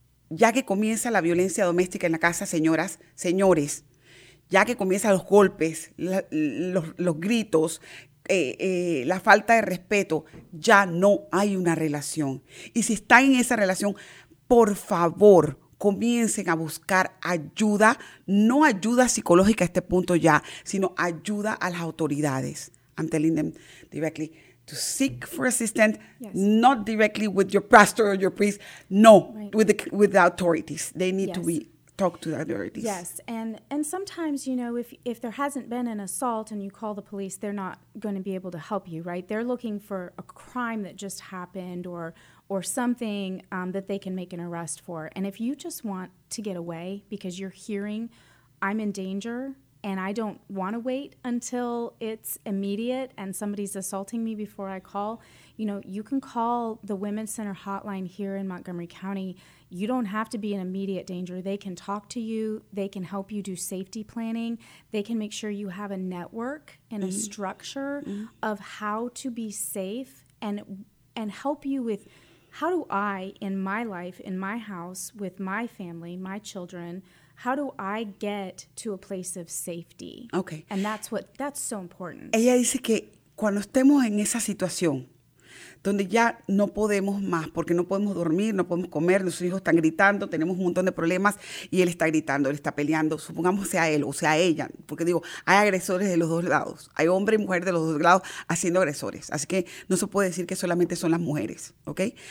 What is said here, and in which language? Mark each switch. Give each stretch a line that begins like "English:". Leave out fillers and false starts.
Spanish: Ya que comienza la violencia doméstica en la casa, señoras, señores, ya que comienzan los golpes, los gritos, la falta de respeto, ya no hay una relación. Y si están en esa relación, por favor, comiencen a buscar ayuda, no ayuda psicológica a este punto ya, sino ayuda a las autoridades.
English: I'm telling them directly to seek for assistance, yes. Not directly with your pastor or your priest, no, right. with the authorities. They need, yes, to be talked to the authorities. Yes, and sometimes, you know, if there hasn't been an assault and you call the police, they're not going to be able to help you, right? They're looking for a crime that just happened or something that they can make an arrest for. And if you just want to get away because you're hearing I'm in danger and I don't want to wait until it's immediate and somebody's assaulting me before I call, you know, you can call the Women's Center hotline here in Montgomery County. You don't have to be in immediate danger. They can talk to you. They can help you do safety planning. They can make sure you have a network and a structure of how to be safe and help you with, how do I, in my life, in my house, with my family, my children, how do I get to a place of safety? Okay. And that's so important.
Spanish: Ella dice que cuando estemos en esa situación, donde ya no podemos más, porque no podemos dormir, no podemos comer, nuestros hijos están gritando, tenemos un montón de problemas, y él está gritando, él está peleando, supongamos sea él o sea ella, porque digo, hay agresores de los dos lados, hay hombre y mujer de los dos lados haciendo agresores, así que no se puede decir que solamente son las mujeres, ¿ok?